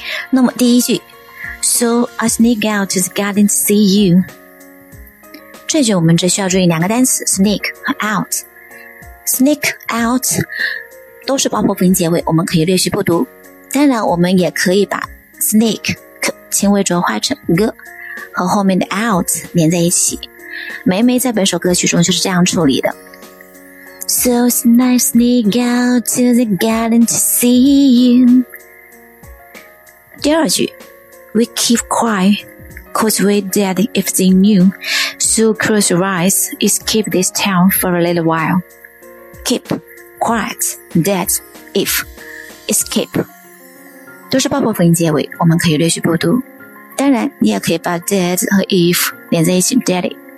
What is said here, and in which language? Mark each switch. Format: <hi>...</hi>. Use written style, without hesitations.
<zh>那么第一句</zh> <en>So I sneak out to the garden to see you，</en> <zh>这句我们只需要注意两个单词 sneak 和 out， sneak out 都是爆破音结尾，我们可以略去不读，当然我们也可以把 sneak 轻微浊化成 g 和后面的 out 连在一起，梅梅在本首歌曲中就是这样处理的。</zh> <en>So I sneak out to the garden to see you。</en> <zh>第二句</zh> <en>We keep quiet cause we're dead if they knew, so close your eyes, escape this town for a little while.</en> <zh>Keep quiet, dead if, escape 都是爆破音结尾，我们可以略去不读，当然你也可以把 dead 和 if 连在一起 dead it.</zh>